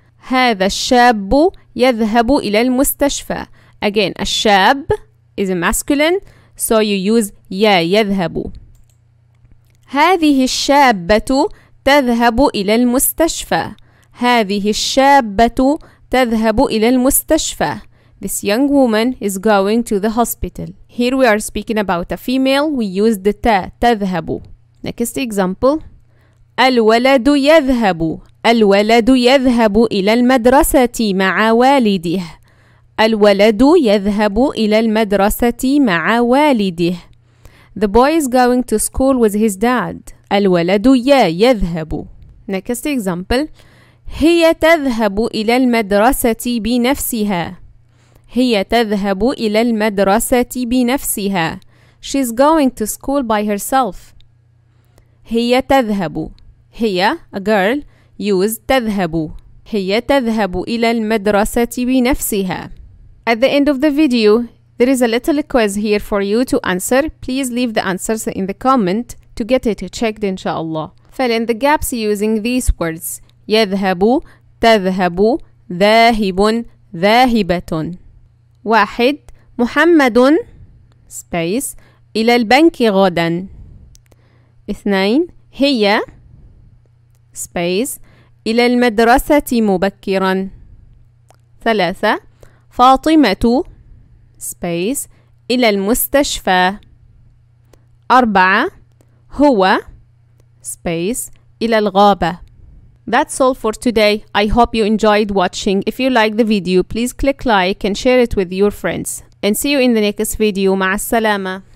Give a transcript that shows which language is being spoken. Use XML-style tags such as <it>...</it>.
<ar>هذا الشاب يذهب إلى المستشفى.</ar> <en>Again, الشاب is a masculine, so you use يا يذهب.</en> <ar>هذه الشابة تذهب إلى المستشفى. هذه الشابة تذهب إلى المستشفى.</ar> <en>This young woman is going to the hospital. Here we are speaking about a female. We use the تا تذهب. Next example.</en> <ar>الولد يذهب. الولد يذهب إلى المدرسة مع والده. الولد يذهب إلى المدرسة مع والده.</ar> <en>The boy is going to school with his dad.</en> <ar>الولد يذهب.</ar> <en>Next example.</en> <ar>هي تذهب إلى المدرسة بنفسها. هي تذهب إلى المدرسة بنفسها.</ar> <en>She's going to school by herself.</en> <ar>هي تذهب.</ar> <en>هي a girl used تذهب.</en> <ar>هي تذهب إلى المدرسة بنفسها.</ar> <en>At the end of the video, there is a little quiz here for you to answer. Please leave the answers in the comment to get it checked, inshallah. Fill in the gaps using these words.</en> <ar>يذهب تذهب ذاهب ذاهبة. واحد محمد space إلى البنك غدا. اثنين هي space إلى المدرسة مبكرا. ثلاثة فاطمة space إلى المستشفى. أربعة هو space إلى الغابة.</ar> <en>That's all for today. I hope you enjoyed watching. If you like the video, please click like and share it with your friends. And see you in the next video. Ma'a salama.</en>